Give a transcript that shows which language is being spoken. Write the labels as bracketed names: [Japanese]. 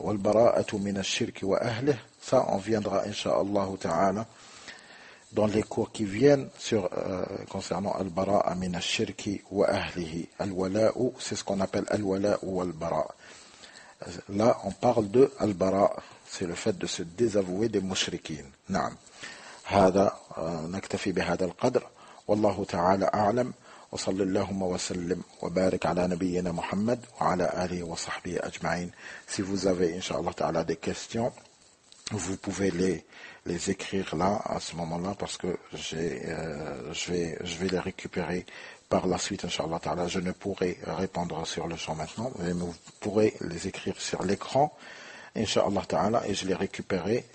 [Arabic] Wal bara'atu min ash-shirki wa ahlih, [French] ça on viendra inshallah ta'ala dans les cours qui viennent sur concernant [Arabic] al bara'a min ash-shirki wa ahlihi. [French] Al wala'u, c'est ce qu'on appelle al wala'u wal bara'a. Là on parle de al bara'a, c'est le fait de se désavouer des mushrikin. [Arabic] Na'am. هذا نكتفي بهذا القدر والله تعالى أعلم وصلى اللهم وسلم وبارك على نبينا محمد وعلى آله وصحبه أجمعين. [French] Si vous avez inshallah ta'ala des questions, vous pouvez les écrire là à ce moment-là, parce que je vais les récupérer par la suite inshallah ta'ala. Je ne pourrai répondre sur le champ maintenant, mais vous pourrez les écrire sur l'écran inshallah ta'ala et je les récupérerai.